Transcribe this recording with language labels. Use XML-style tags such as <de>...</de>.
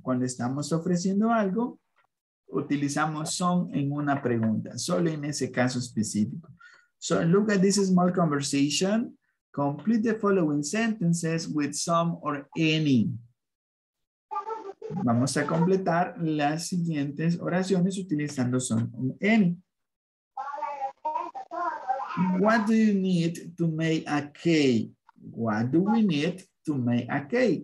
<es>Cuando estamos ofreciendo algo, utilizamos some en una pregunta, solo en ese caso específico.</es> <en>So look at this small conversation. Complete the following sentences with some or any.</en> <es>Vamos a completar las siguientes oraciones utilizando some or any.</es> <en>What do you need to make a cake? What do we need to make a cake?</en>